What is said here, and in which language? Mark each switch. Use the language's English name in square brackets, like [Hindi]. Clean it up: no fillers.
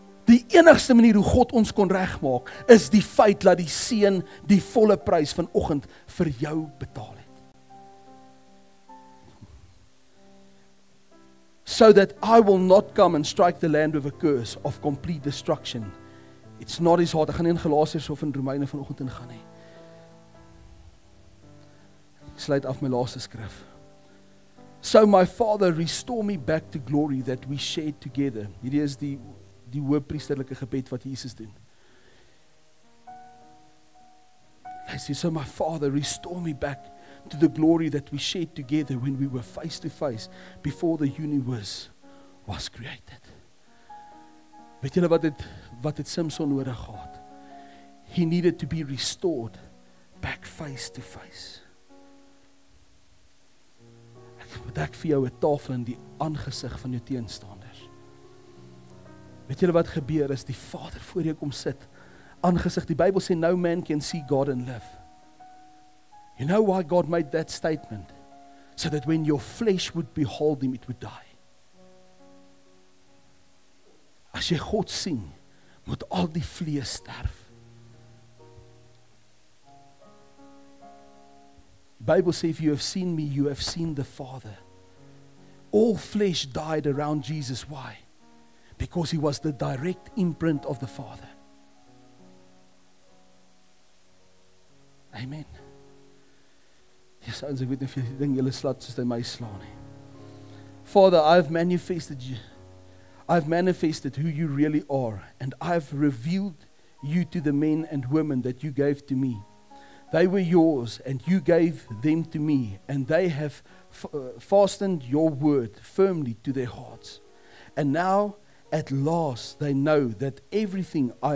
[Afrikaans] Die enigste manier hoe God ons kon regmaak is die feit dat die seun die volle prys vanoggend vir jou betaal het. [English] So that I will not come and strike the land with a curse of complete destruction. It's not his heart. [Afrikaans] Ek gaan nie in Galasiërs of in Romeine vanoggend ingaan nie. Ek sluit af my laaste skrif. [English] So my father restore me back to glory that we shared together. [Afrikaans] Hierdie is die hoëpriesterlike gebed wat Jesus doen. Hy sê, [English] so my father restore me back to the glory that we shared together when we were face to face before the universe was created. [Afrikaans] Weet julle wat het Samson nodig gehad? [English] He needed to be restored back face to face. [Afrikaans] Ek bedek vir jou 'n tafel in die aangesig van jou teenstanders. Weet julle wat gebeur as die Vader voor jou kom sit? Aangesig, die Bybel sê, [English] no man can see God and live. You know why God made that statement? So that when your flesh would behold him, it would die. [Afrikaans] As jy God sien, moet al die vlees sterf. [English] The Bible says, if you have seen me, you have seen the Father. All flesh died around Jesus. Why? Because he was the direct imprint of the Father. Amen. [Afrikaans] Yes, ons weet nie of jy ding julle slat soos hy my slaan nie. [English] Father, I've manifested who you really are, and I've revealed you to the men and women that you gave to me. They were yours, and you gave them to me, and they have fastened your word firmly to their hearts. And now, at last, they know that everything